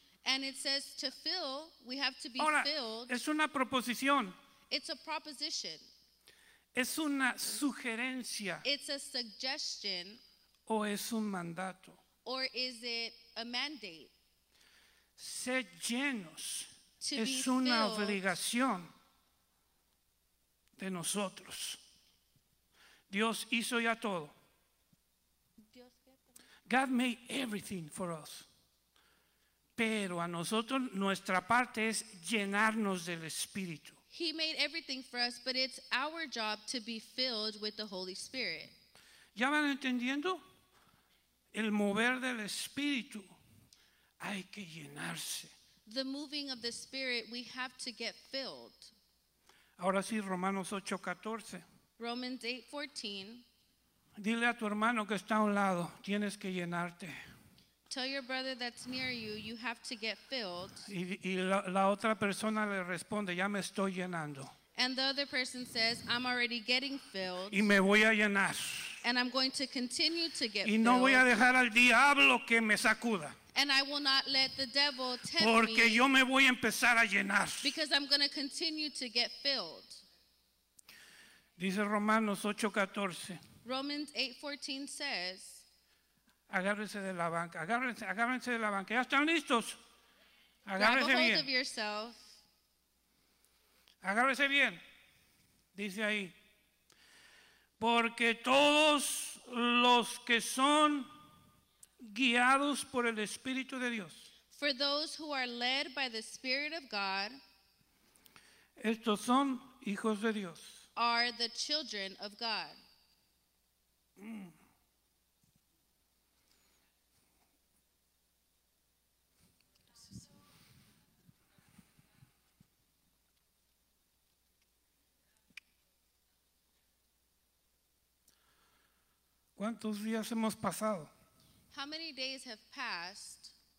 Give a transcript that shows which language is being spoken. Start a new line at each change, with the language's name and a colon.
English: And it says to fill, we have to be
Spanish: Ahora,
English: filled.
Spanish: Es una proposición.
English: It's a proposition.
Spanish: Es una sugerencia.
English: It's a suggestion.
Spanish: O es un mandato.
English: Or is it a mandate?
Spanish: Ser llenos es una obligación de nosotros. Dios hizo ya todo.
English: God made everything for us.
Spanish: Pero a nosotros nuestra parte es llenarnos del Espíritu.
English: He made everything for us, but it's our job to be filled with the Holy Spirit.
Spanish: ¿Ya van entendiendo? El mover del Espíritu. Hay que llenarse.
English: The moving of the Spirit, we have to get filled.
Spanish: Ahora sí, Romanos 8:14.
English: Romans 8:14.
Spanish: Dile a tu hermano que está a un lado, tienes que llenarte.
English: Tell your brother that's near you, you have to get filled.
Spanish: Y la otra persona le responde, ya me estoy llenando.
English: And the other person says, I'm already getting filled.
Spanish: Y me voy a llenar.
English: And I'm going to continue to get
Spanish: y no
English: filled.
Spanish: Voy a dejar al diablo que me sacuda.
English: And I will not let the devil tempt
Spanish: Porque
English: me.
Spanish: Yo me voy a empezar a llenar.
English: Because I'm going to continue to get filled.
Spanish: Dice Romanos 8:14.
English: Romans 8:14 says.
Spanish: Agárrense de la banca. Agárrense de la banca. ¿Ya están listos? Agárrense bien.
English: Grab a hold of yourself.
Spanish: Agárrense bien. Dice ahí. Porque todos los que son guiados por el Espíritu de Dios.
English: For those who are led by the Spirit of God.
Spanish: Estos son hijos de Dios.
English: Are the children of God.
Spanish: ¿Cuántos días hemos pasado?
English: How many days have passed?